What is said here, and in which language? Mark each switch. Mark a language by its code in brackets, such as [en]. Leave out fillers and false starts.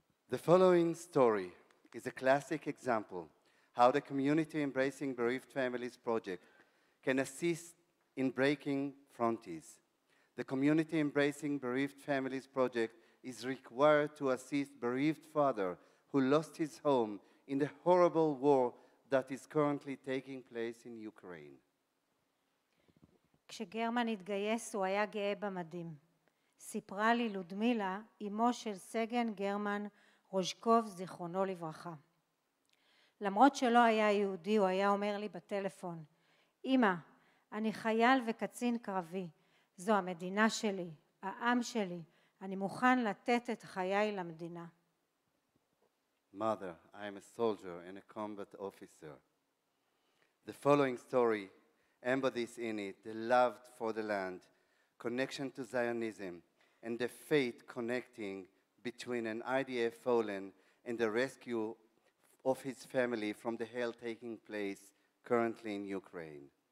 [en] The following story is a classic example how the community embracing Bereaved Families Project can assist in breaking frontiers. The community embracing Bereaved Families Project is required to assist bereaved father who lost his home in the horrible war that is currently taking place in Ukraine. [he] כשגרמן התגייס הוא היה גאה במדים. סיפרה לי לודמילה, אמו של סגן גרמן רוז'קוב, זיכרונו לברכה. למרות שלא היה יהודי, הוא היה אומר לי בטלפון, אמא, אני חייל וקצין קרבי, זו המדינה שלי, העם שלי, אני מוכן לתת את חיי למדינה. [en] Mother, I am a soldier and a combat officer. The following story embodies in it the love for the land, connection to Zionism, and the fate connecting between an IDF fallen and the rescue of his family from the hell taking place currently in Ukraine.